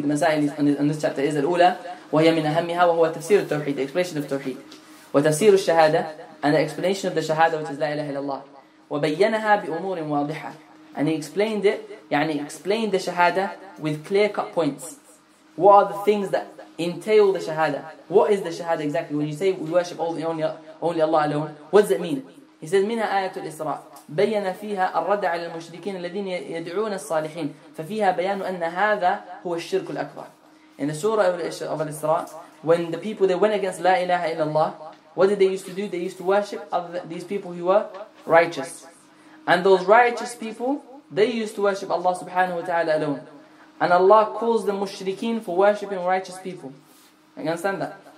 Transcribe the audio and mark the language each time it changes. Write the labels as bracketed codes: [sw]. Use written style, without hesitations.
[en] The masail on this chapter is al-ula, [ar] وهي من أهمها وهو تفسير التوحيد, [en] the explanation of التوحيد, [ar] وتفسير الشهادة, [en] and the explanation of the shahada, which is لا إله إلا الله, [ar] وبينها بأمور واضحة, [en] and he explained it, يعني explained the shahada with clear-cut points. What are the things that entail the shahada? What is the shahada exactly? When you say we worship only Allah alone, what does it mean? He says [ar] منها آية الإسراء بين فيها الرد على المشركين الذين يدعون الصالحين ففيها بيان أن هذا هو الشرك الأكبر. [en] In the surah of Al-Isra, when the people, they went against La ilaha illallah, what did they used to do? They used to worship these people who were righteous. And those righteous people, they used to worship Allah subhanahu wa ta'ala alone. And Allah calls the mushrikeen for worshipping righteous people. You understand that?